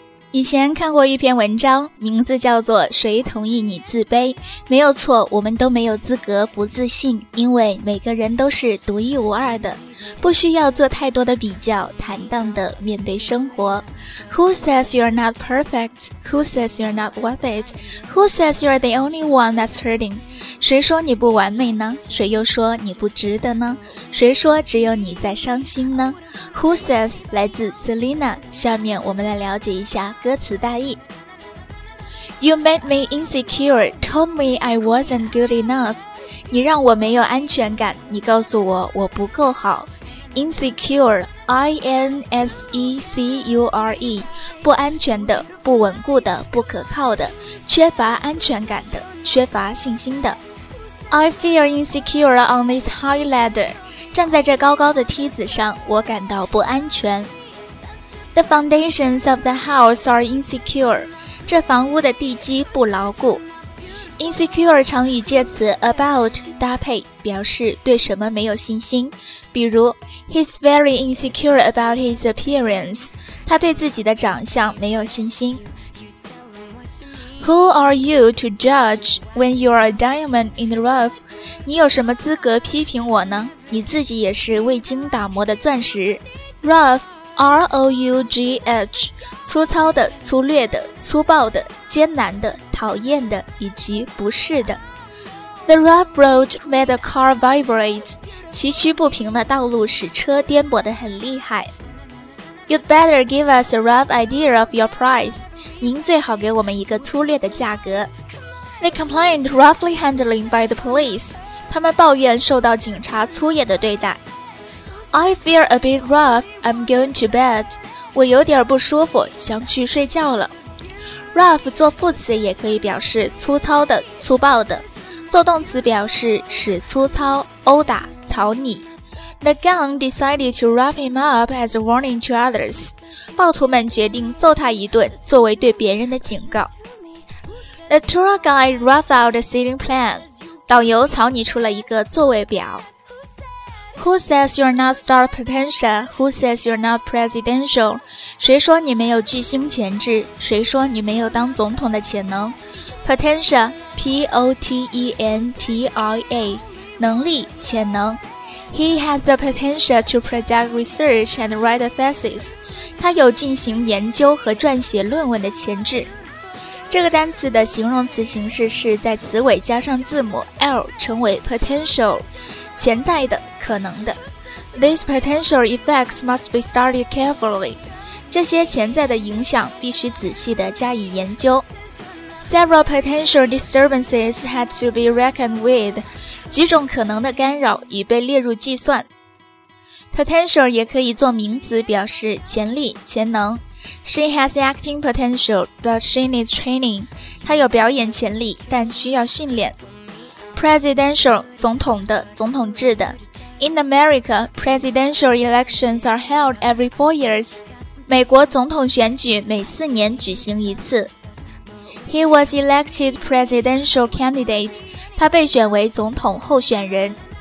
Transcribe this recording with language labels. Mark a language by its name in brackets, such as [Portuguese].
[Chinese] 以前看过一篇文章，名字叫做《谁同意你自卑》。没有错，我们都没有资格不自信，因为每个人都是独一无二的。不需要做太多的比较，坦荡地面对生活。 [English] Who says you're not perfect? Who says you're not worth it? Who says you're the only one that's hurting? [Chinese] 谁说你不完美呢？谁又说你不值得呢？谁说只有你在伤心呢？Who says 来自 Selena， 下面我们来了解一下歌词大意。 [English] You made me insecure, told me I wasn't good enough. [Chinese] 你让我没有安全感，你告诉我我不够好。 Insecure, I-N-S-E-C-U-R-E, 不安全的，不稳固的，不可靠的，缺乏安全感的，缺乏信心的。 [English] I feel insecure on this high ladder. [Chinese] 站在这高高的梯子上，我感到不安全。 [English] The foundations of the house are insecure. [Chinese] 这房屋的地基不牢固。 Insecure 常与介词 about 搭配，表示对什么没有信心，比如 [English] He's very insecure about his appearance， [Chinese] 他对自己的长相没有信心。 [English] Who are you to judge when you are a diamond in the rough？ [Chinese] 你有什么资格批评我呢？你自己也是未经打磨的钻石。 Rough，R-O-U-G-H， 粗糙的，粗略的，粗暴的，艰难的，讨厌的，以及不适的。 [English] The rough road made the car vibrate， [Chinese] 崎岖不平的道路使车颠簸得很厉害。 [English] You'd better give us a rough idea of your price， [Chinese] 您最好给我们一个粗略的价格。 [English] They complained roughly handling by the police， [Chinese] 他们抱怨受到警察粗野的对待。 [English] I feel a bit rough, I'm going to bed. [Chinese] 我有点不舒服，想去睡觉了。 Rough 做副词也可以表示粗糙的、粗暴的。做动词表示使粗糙、殴打、草拟。 [English] The gang decided to rough him up as a warning to others. [Chinese] 暴徒们决定揍他一顿，作为对别人的警告。 [English] The tour guide roughed out a seating plan. [Chinese] 导游草拟出了一个座位表。 [English] Who says you're not star potential? Who says you're not presidential? [Chinese] 谁说你没有巨星潜质？谁说你没有当总统的潜能？ Potential, P-O-T-E-N-T-I-A, 能力、潜能。 [English] He has the potential to project research and write a thesis. [Chinese] 他有进行研究和撰写论文的潜质。这个单词的形容词形式是在词尾加上字母 L， 成为 potential， 潜在的。可能的。 [English] These potential effects must be studied carefully. [Chinese] 这些潜在的影响必须仔细地加以研究。 [English] Several potential disturbances had to be reckoned with. [Chinese] 几种可能的干扰已被列入计算。 Potential 也可以做名词，表示潜力、潜能。 [English] She has acting potential, but she needs training. [Chinese] 她有表演潜力，但需要训练。 [English] Presidential, [Chinese] 总统的、总统制的。 [English] In America, presidential elections are held every 4 years. [Chinese] 美国总统选举每四年举行一次。 [English] He was elected presidential candidate. [Chinese] 他被选为总统候选人。